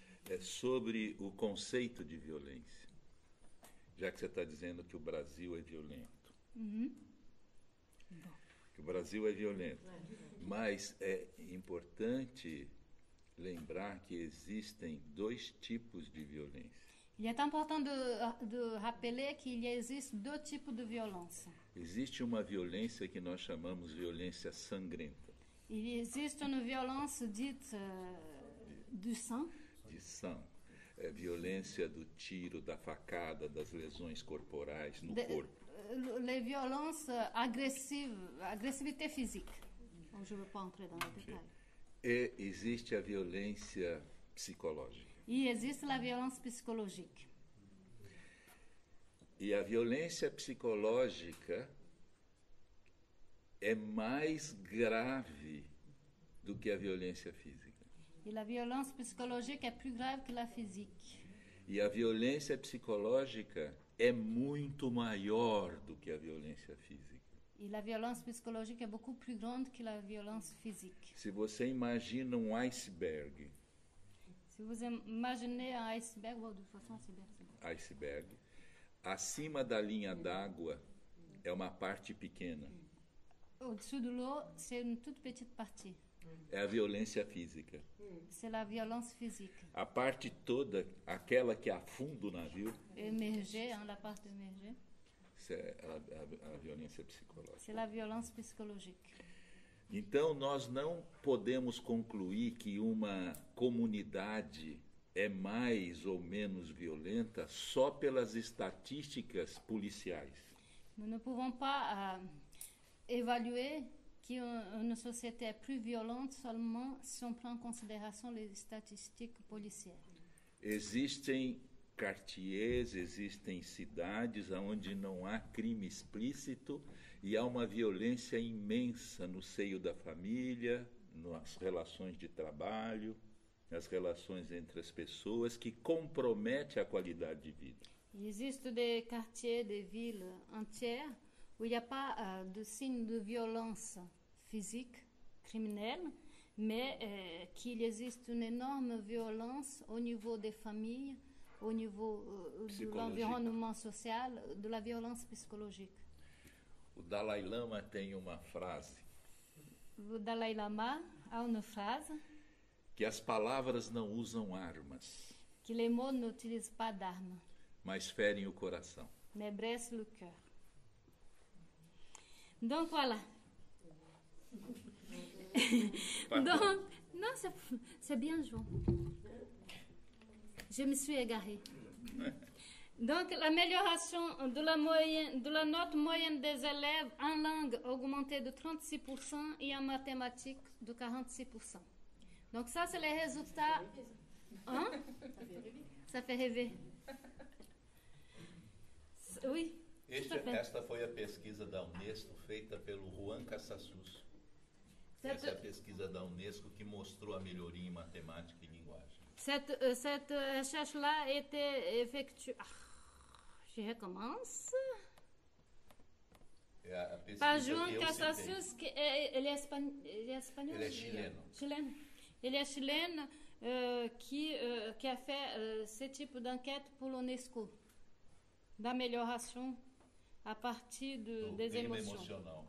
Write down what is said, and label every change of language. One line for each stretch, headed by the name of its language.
Portuguese: É sobre o conceito de violência. Já que você está dizendo que o Brasil é violento. Que o Brasil é violento. Mas é importante lembrar que existem dois tipos de violência.
French: Il est important de rappeler qu'il existe deux types de violence.
Portuguese: Existe uma violência que nós chamamos violência sangrenta.
French: Il existe une violence dite du sang. De sang.
Portuguese: É violência do tiro, da facada, das lesões corporais no corpo.
French: Les violences agressives, agressivité physique. Bon, je ne veux pas entrer dans le détail.
Portuguese: E existe a violência psicológica. E existe a violência psicológica. E a violência psicológica é mais grave do que a violência física. E a violência psicológica é mais grave que a física. E a violência psicológica é muito maior do que a violência física. E a violência psicológica é muito mais grande que a violência física. Se você imagina um iceberg... Se você imaginar um iceberg, ou de fato um iceberg. Iceberg. Acima da linha d'água é uma parte pequena.
French: Au-dessus de l'eau, c'est une toute petite partie.
Portuguese: É a violência física.
French: C'est la violence physique.
Portuguese: A parte toda, aquela que afunda o navio.
French: Emerger, hein, la partie émergée. C'est
Portuguese: a violência psicológica.
French: C'est la violence psychologique.
Portuguese: Então, nós não podemos concluir que uma comunidade é mais ou menos violenta só pelas estatísticas policiais. Nós não podemos avaliar que uma sociedade é mais violenta somente se
French: on prend
Portuguese: em consideração as estatísticas policiais. Existem quartiers, existem cidades onde não há crime explícito e há uma violência imensa no seio da família, nas relações de trabalho, nas relações entre as pessoas, que compromete a qualidade de vida.
French: Existe de quartiers, de ville entière, où il n'y a pas de signe de violence physique, criminelle, mais qu'il existe une énorme violence au niveau des familles, au niveau de l'environnement social, de la violence psychologique.
Portuguese: O Dalai Lama tem uma frase. O Dalai Lama há uma frase. Que as palavras não usam armas.
French: Que les mots n'utilisent pas d'armes.
Portuguese: Mas ferem o coração.
French: Mais blessent le cœur. Donc voilà. Donc, non, c'est bien, João. Je me suis égarée. Donc, l'amélioration de la note moyenne des élèves en langue augmentée de 36% et en mathématiques de 46%. Donc, ça, c'est les résultats. Hein? Ça fait rêver. Oui.
Portuguese: Esta foi a pesquisa da Unesco feita pelo Juan Casasus. Essa é a pesquisa da Unesco que mostrou a melhoria em matemática e linguagem.
French: Cette recherche-là était effectuée. Je recommence. Par Juan Casasus, qui est espagnol. Il est chilien. Il est chilien qui a fait ce type d'enquête pour l'UNESCO d'amélioration à partir des émotions.